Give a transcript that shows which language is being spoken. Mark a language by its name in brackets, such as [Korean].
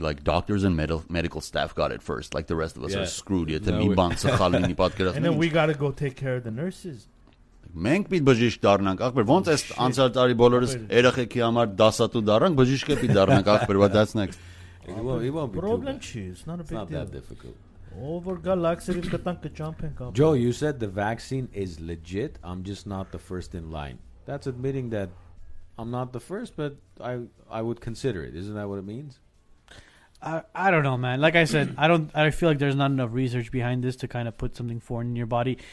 [English] Like, doctors and medical staff got it first. Like, the rest of us are screwed. And then we got to go take care of the nurses. [Armenian] Մենք պիտի բժիշկ դառնանք, ախպեր, ոնց էս անցյալ տարի բոլորս երեխեքի համար դասատու դառնանք, բժիշկ էլ պիտի դառնանք, ախպեր, [English] what that's next. Problem չի, it's not a big deal. It's not that difficult. [Armenian] Over galaxy-ին կտանք կճամփենք, ախպեր. [English] Joe, you said the vaccine is legit, I'm just not the first in line. That's admitting that I'm not the first, but I would consider it. Isn't that what it means? I don't know, man. Like I said, I feel like there's not enough research behind this to kind of put something foreign in your body.